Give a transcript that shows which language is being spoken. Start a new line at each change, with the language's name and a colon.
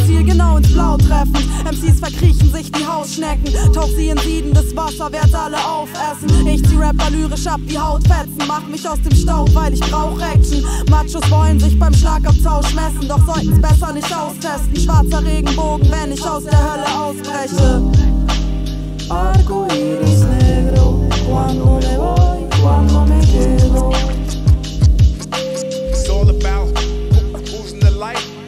German: Ziel genau ins Blau treffen, MCs verkriechen. Riechen sich die Hausschnecken, tauch sie in siedendes Wasser, werd alle aufessen. Ich zieh Rapper lyrisch ab wie Hautfetzen, mach mich aus dem Staub, weil ich brauch Action. Machos wollen sich beim Schlagabtausch messen, doch sollten's besser nicht austesten. Schwarzer Regenbogen, wenn ich aus der Hölle ausbreche.
Spanish: Arco iris negro, cuando me voy, cuando me quedo.
English: It's all about who's in the light.